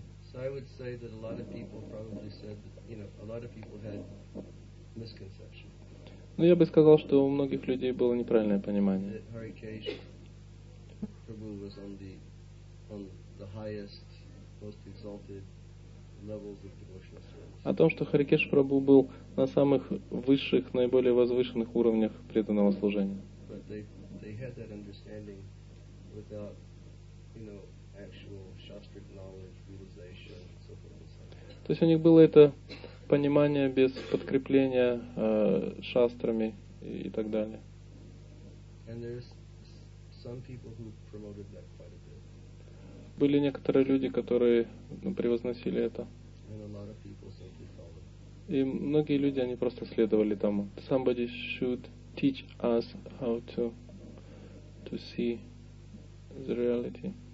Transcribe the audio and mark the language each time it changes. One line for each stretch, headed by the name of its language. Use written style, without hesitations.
English: So I would say that a lot of people probably said that, you know, a lot of people had misconception.
Russian: Ну я бы сказал, что у многих людей было неправильное понимание.
English: Hare Krishna, Prabhu was on the highest, most exalted levels of devotional service.
Russian: О том, что Hare Krishna Prabhu был на самых высших, наиболее возвышенных уровнях преданного служения.
English: But they had that understanding without, you know, actual shastric knowledge, realization, so forth and so on.
Russian: То есть у них было это понимание без подкрепления шастрами и так далее.
English: And there's some people who promoted that quite a bit.
Russian: Были некоторые люди, которые превозносили это.
English: And a lot of people simply followed.
Russian: И многие люди, они просто следовали тому.
English: Somebody should teach us how to see the reality.